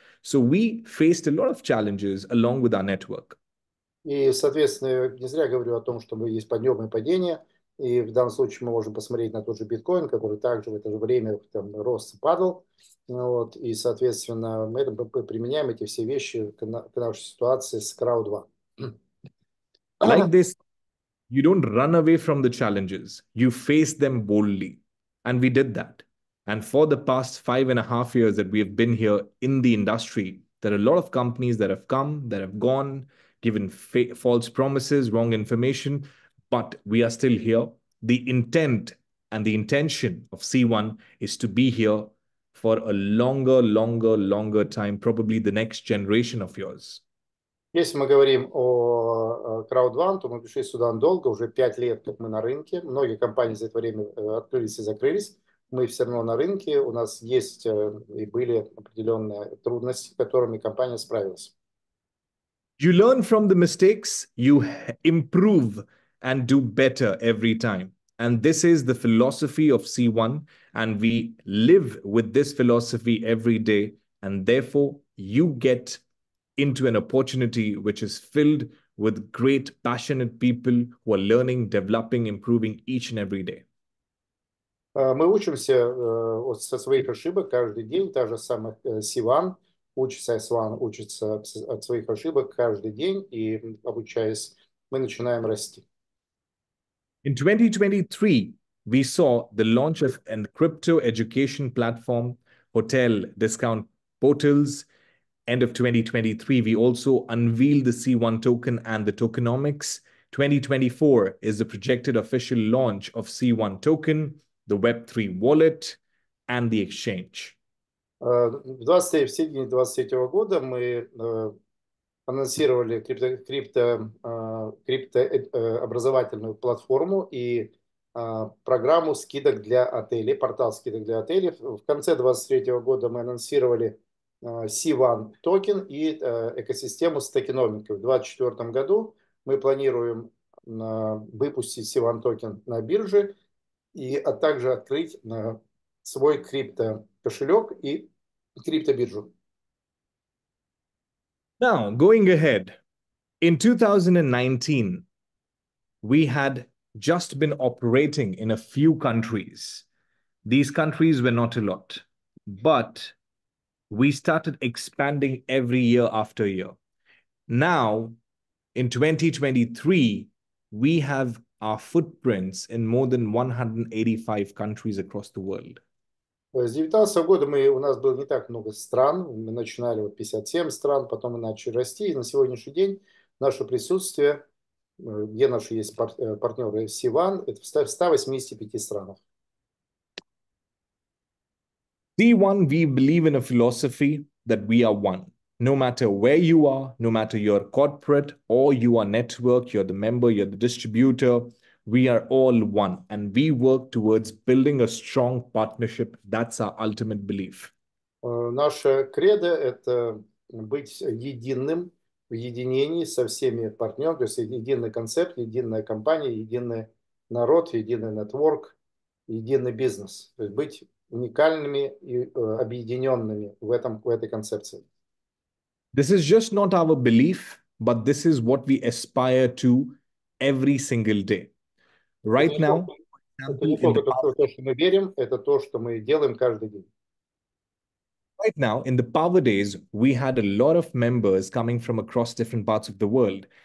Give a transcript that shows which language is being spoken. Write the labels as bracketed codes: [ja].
[en] So we faced a lot of challenges along with our network. [ru] И, соответственно, не зря говорю о том, что есть подъемы и падения. И в данном случае мы можем посмотреть на тот же биткоин, который также в это же время там, рос и падал. Вот. И, соответственно, мы применяем эти все вещи к нашей ситуации с Крау-2. [en] Like this, you don't run away from the challenges. You face them boldly. And we did that. And for the past 5.5 years that we have been here in the industry, there are a lot of companies that have come, that have gone, given false promises, wrong information. But we are still here. The intent and the intention of C1 is to be here for a longer, longer, longer time, probably the next generation of yours. [ru] Если мы говорим о Крау-2, то мы пришли сюда долго, уже 5 лет как мы на рынке. Многие компании за это время открылись и закрылись. Мы все равно на рынке. У нас есть и были определенные трудности, с которыми компания справилась. [en] You learn from the mistakes, you improve and do better every time. And this is the philosophy of C1, and we live with this philosophy every day, and therefore you get into an opportunity which is filled with great, passionate people who are learning, developing, improving each and every day. [ru] Мы учимся со своих ошибок каждый день, та же самая C1 учится от своих ошибок каждый день, и обучаясь, мы начинаем расти. [en] In 2023, we saw the launch of a crypto education platform, hotel discount portals. End of 2023, we also unveiled the C1 token and the tokenomics. 2024 is the projected official launch of C1 token, the Web3 wallet, and the exchange. [ru] В середине 2023 года мы анонсировали крипто образовательную платформу и программу скидок для отелей, портал скидок для отелей. В конце 2023 года мы анонсировали C1 токен и экосистему с токеномикой. В 2024 году мы планируем выпустить C1 токен на бирже и также открыть свой крипто-кошелек и крипто-биржу. [en] Now, going ahead, in 2019, we had just been operating in a few countries. These countries were not a lot, but we started expanding every year after year. Now, in 2023, we have our footprints in more than 185 countries across the world. [ru] С 2019 года у нас было не так много стран, мы начинали 57 стран, потом мы начали расти, и на сегодняшний день наше присутствие, где наши есть партнеры C1, это в 185 странах. [en] C1, we believe in a philosophy that we are one. No matter where you are, no matter your corporate or you are network, you're the member, you're the distributor, we are all one, and we work towards building a strong partnership. That's our ultimate belief. [ru] Наше кредо – это быть единым, в единении со всеми партнерами, то есть единый концепт, единая компания, единый народ, единый нетворк, единый бизнес. То есть быть уникальными и объединенными в этом, в этой концепции. [en] This is just not our belief, but this is what we aspire to every single day. Right now, right now, in the power days, we had a lot of members coming from across different parts of the world.